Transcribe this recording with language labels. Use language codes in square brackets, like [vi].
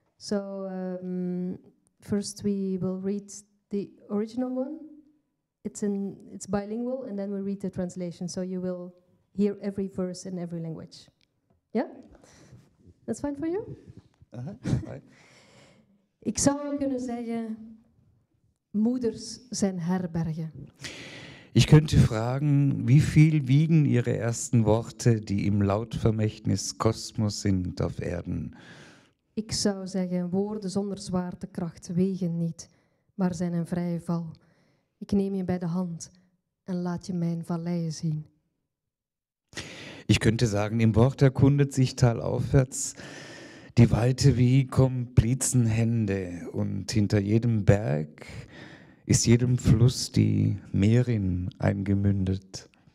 [en] So, first we will read the original one. It's bilingual, and then we read the translation, so you will hear every verse in every language. Yeah? That's fine for you? Uh-huh. [nl] Ik zou kunnen zeggen, moeders zijn herbergen. [de] Ich könnte fragen, wie viel wiegen ihre ersten Worte, die im Lautvermächtnis Kosmos sind auf Erden? [nl] Ik zou zeggen, woorden zonder zwaartekracht wegen niet, maar zijn een vrije val. [de] Ich nehme ihn bei der Hand und lasse ihn mein Vallei sehen. Ich könnte sagen, im Wort erkundet sich talaufwärts die Weite wie Komplizenhände und hinter jedem Berg ist jedem Fluss die Meerin eingemündet.